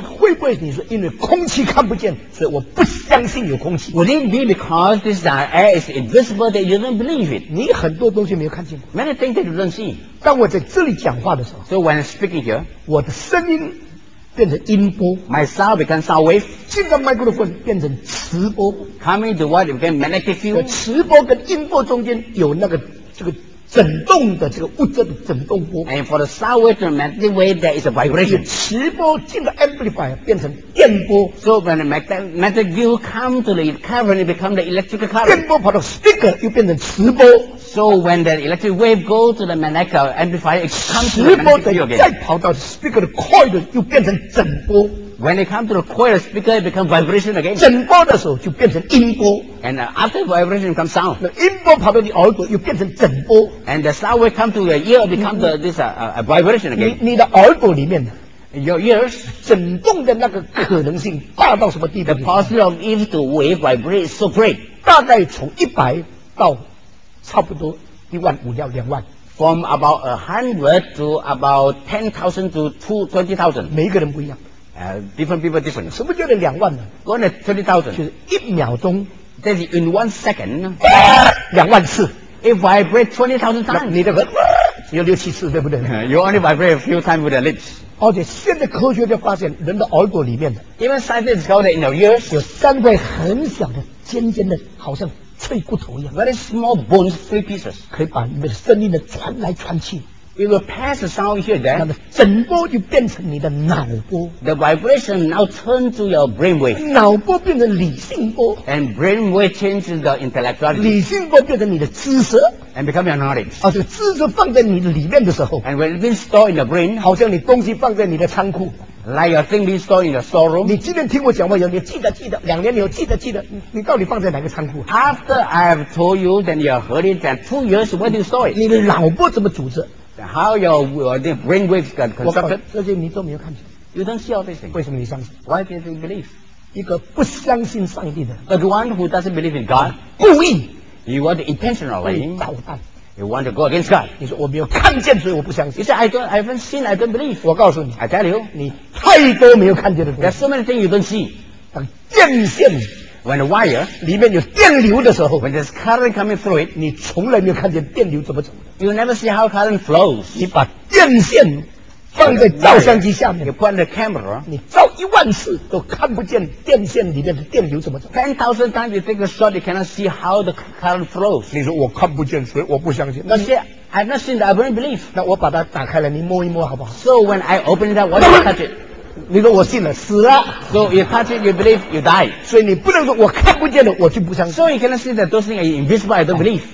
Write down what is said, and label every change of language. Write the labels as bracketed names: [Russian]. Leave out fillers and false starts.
[Chinese] 会不会你说因为空气看不见，所以我不相信有空气 [English] ？Would it be because this air is invisible that you don't believe it？ [Chinese] 你很多东西没有看见 [English] ，many things that you don't see。 [Chinese] 当我在这里讲话的时候 [English] ，so when I'm speaking here， [Chinese] 我的声音变成音波 [English] ，my sound becomes sound wave。 [Chinese] 进到 microphone 变成磁波 [English] ，coming to what you can magnetic field。 [Chinese] 磁波跟音波中间有那个这个。震动的这个物质的震动波 [English] ，and for the sound wave, the magnetic wave, there is a vibration. [Chinese] 磁波进了 amplifier 变成电波 [English] ，so when the magnetic wave come to the cavern, it become the electrical current. [Chinese] 电波跑到 speaker 又变成磁波 [English] ，so when the electric wave go to the magnetic amplifier, it comes to the magnetic field again. [Chinese] 磁波再跑到 speaker 的 coil 又变成震波。 [English] When it comes to the coil speaker, it becomes vibration again. [Chinese] 震波的时候就变成音波。 [English] And after vibration comes sound. [Chinese] 那音波跑到你耳朵又变成震波。 [English] And the sound will come to your ear, it becomes a vibration again. [Chinese] 你的耳朵里面 [English] Your ears [Chinese] 震动的那个可能性大到什么地步 [English] ？The possibility of it to vibrate is so great. [Chinese] 大概从100到差不多15,000到20,000。 [English] From about 100 to about 10,000 to 20,000. [Chinese] 每个人不一样。 [English] Different people different. [Chinese] 什么叫做两万呢 [English] ？Going to 20,000. [Chinese] 就是一秒钟。 [English] That is in 1 second. [Chinese] 两万次。 [English] It vibrate 20,000 times. [Chinese] 你的有六七次，对不对 [English] ？You only vibrate a few times with the lips. [Chinese] 而且现在科学就发现，人的耳朵里面的 [English] ，even scientists discovered in our ears [Chinese] 有三块很小的尖尖的，好像脆骨头一样 [English] ，very small bones, three pieces， [Chinese] 可以把你的声音的传来传去 [English] ，it will pass the sound here then， [Chinese] 那么整波就变成你的脑波 [English] ，the vibration now turn to your brainwave， [Chinese] 脑波变成理性波 [English] ，and brainwave changes the intellectuality， [Chinese] 理性波变成你的知识。 [English] And become your knowledge. [Chinese] 而且知识放在你里面的时候 [English] ，and when it's been stored in the brain, [Chinese] 好像你东西放在你的仓库 [English] ，like your thing being stored in the storeroom. [Chinese] 你今天听我讲话，你记得，两年你有记得，你到底放在哪个仓库 [English] ？After I have told you, then you heard it. That 2 years, where do you store it? [Chinese] 你的脑波怎么组织 [English] ？How your the brain waves got constructed? [Chinese] 这些你都没有看见 [English] ，you don't see all these things. [Chinese] 为什么你相信 [English] ？Why do you believe? [Chinese] 一个不相信上帝的 [English] ，the one who doesn't believe in God, [Chinese] 故意。 [English] You want to intentionally. You want to go against God. [Chinese] 你说我没有看见，所以我不相信。 [English] You say I haven't seen, I don't believe. [Chinese] 我告诉你 [English] ，I tell you， [Chinese] 你太多没有看见的东西。 [English] There's so many things you don't see. [Chinese] 当电线 [English] ，when the wire [Chinese] 里面有电流的时候 [English] ，when there's current coming through it， [Chinese] 你从来没有看见电流怎么走的。 [English] You never see how current flows. [Chinese] 你把电线放在照相机下面，你关了 camera，你照一万次都看不见电线里面的电流怎么走。 [English] 10,000 times you take a shot, you cannot see how the current flows。 [Chinese] 你说我看不见，所以我不相信。那些 [English] I've not seen, I don't believe。 [Chinese] 那我把它打开了，你摸一摸好不好 [English] ？So when I open it up, what do you touch it？ [Chinese] 你说我信了，死了。 [English] So you touch it, you believe, you die。 [Chinese] 所以你不能说我看不见的，我就不相信。 [English] So you cannot see that those things are invisible, I don't believe。